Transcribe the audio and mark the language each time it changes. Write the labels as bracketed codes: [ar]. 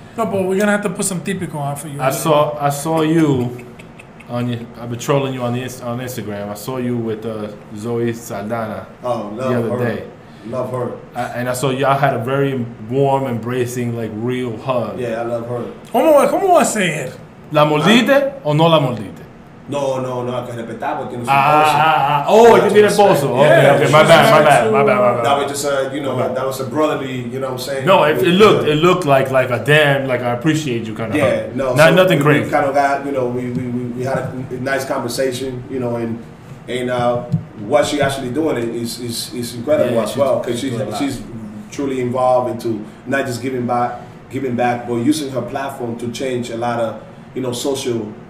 [en] No, but we're going to have to put some typical on for you. I saw you on your, I'm patrolling you on Instagram. I saw you with Zoe Saldana the other day. Love her. And I saw y'all had a very warm, embracing, like, real hug. Yeah, I love her. [es] ¿Cómo se dice? ¿La mordiste o no la mordiste? No, hay que respetar porque no es [en] Oh, you did a pozo. My bad. That was just a, you know, that was a brotherly, you know what I'm saying? No, it looked like a damn, like I appreciate you kind of. Yeah, hug. No. Nothing crazy. We kind of got, you know, we had a nice conversation, you know, and what she actually doing is incredible as well because she's truly involved into not just giving back, but using her platform to change a lot of, you know, social